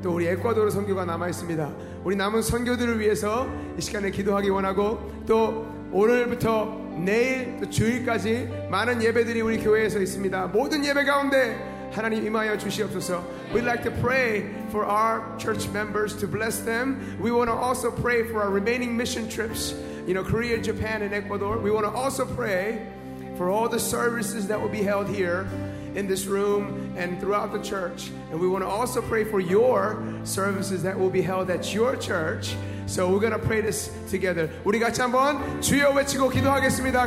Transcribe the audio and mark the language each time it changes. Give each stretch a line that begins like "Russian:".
Korean: 또 우리 에콰도르 선교가 남아있습니다. 우리 남은 선교들을 위해서 이 시간에 기도하기 원하고 또 오늘부터 내일 또 주일까지 많은 예배들이 우리 교회에서 있습니다. 모든 예배 가운데 하나님 임하여 주시옵소서.
English: We'd like to pray for our church members to bless them. We want to also pray for our remaining mission trips. You know, Korea, Japan, and Ecuador. We want to also pray for all the services that will be held here in this room and throughout the church. And we want to also pray for your services that will be held at your church. So we're going to pray this together.
Korean: 우리 같이 한번 주여 외치고 기도하겠습니다.